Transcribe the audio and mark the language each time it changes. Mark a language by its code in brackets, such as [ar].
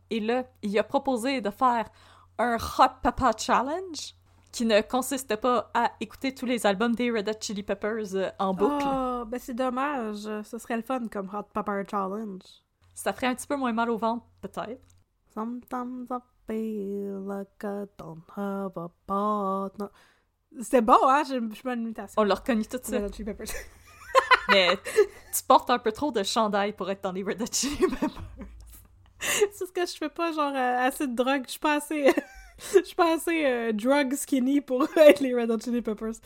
[fr] Et là, il a proposé de faire un Hot Papa Challenge qui ne consiste pas à écouter tous les albums des Red Hot Chili Peppers en boucle. Oh, ben c'est dommage. Ce serait le fun comme Hot Papa Challenge. Ça ferait un petit peu moins mal au ventre, peut-être. [en] Sometimes I feel like I don't have a partner. [fr] C'était bon, hein? Je me suis mis à ça. On l'a reconnu tout de suite. Red Hot Chili Peppers. Mais tu portes un peu trop de chandail pour être dans les Red Hot Chili Peppers. C'est ce que je fais pas, genre, assez de drogue. Je suis pas assez [en] drug skinny [fr] pour être les Red Hot Chili Peppers.